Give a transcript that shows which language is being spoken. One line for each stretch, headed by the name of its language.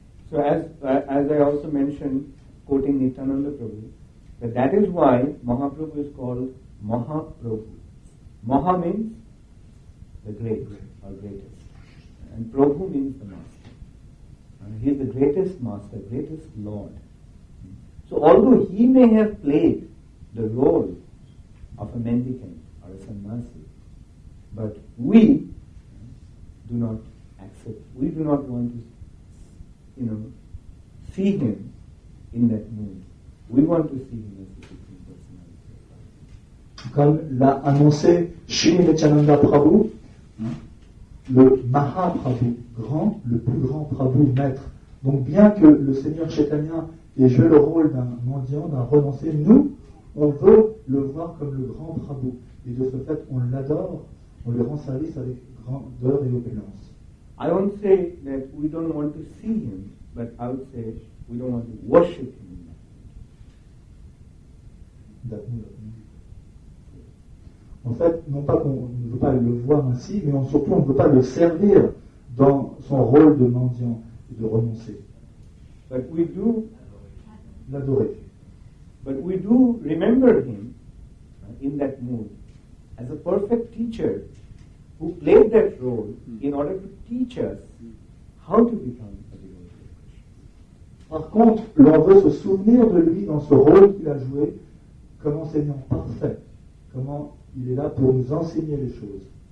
English: So as I also mentioned, quoting Nityananda Prabhu, that is why Mahaprabhu is called Mahaprabhu. Maha means the great or greatest, and Prabhu means the master. And he is the greatest master, greatest lord. So although he may have played the role of a mendicant or a sannyasi, but we do not accept, we do not want to, you know, see him in that mood. We want to see him as a Supreme Personality.
French: Comme l'a annoncé Shri Nityananda Prabhu, le Mahaprabhu, grand, le plus grand Prabhu, maître. Donc bien que le Seigneur Chaitanya et jouer le rôle d'un mendiant, d'un renoncé, nous, on veut le voir comme le grand Prabhu. Et de ce fait, on l'adore, on lui rend service avec grandeur et opulence.
English: I won't say that we don't want to see him, but I would say we don't want to worship him.
French: En fait, non pas qu'on ne veut pas le voir ainsi, mais surtout on ne veut pas le servir dans son rôle de mendiant et de renoncé.
English: But we do
French: l'adorer.
English: But we do remember him in that mood as a perfect teacher who played that role in order to teach us how to become a devotee.
French: Par contre, l'on veut se souvenir de lui dans ce rôle qu'il a joué comme enseignant parfait, comment il est là pour nous enseigner les choses.